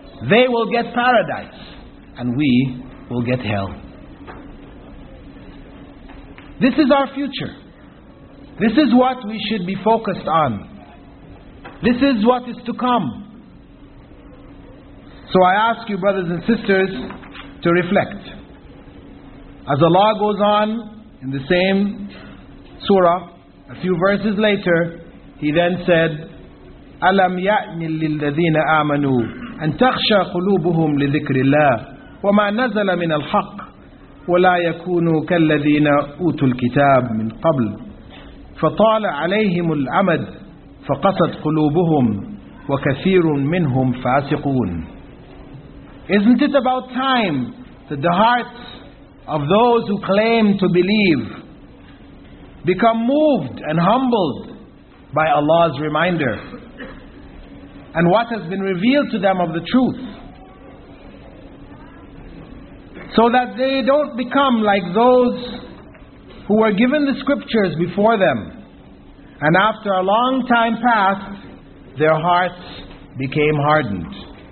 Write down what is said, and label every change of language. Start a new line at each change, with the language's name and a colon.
English: They will get paradise, and we will get hell. This is our future. This is what we should be focused on. This is what is to come. So I ask you, brothers and sisters, to reflect. As Allah goes on in the same surah, a few verses later, He then said,
Arabic: أَلَمْ يَأْنِ لِلَّذِينَ آمَنُوا أَن تَخْشَى قُلُوبُهُمْ لِذِكْرِ اللَّهِ وَمَا نَزَلَ مِنَ الْحَقِّ وَلَا يَكُونُوا كَالَّذِينَ أُوتُوا الْكِتَابِ مِنْ قَبْلِ فَطَالَ عَلَيْهِمُ الْأَمَدْ فَقَسَتْ قُلُوبُهُمْ وَكَثِيرٌ مِّنْهُمْ فَاسِقُونَ.
English: Isn't it about time that the hearts of those who claim to believe become moved and humbled by Allah's reminder and what has been revealed to them of the truth, so that they don't become like those who were given the scriptures before them, and after a long time passed, their hearts became hardened.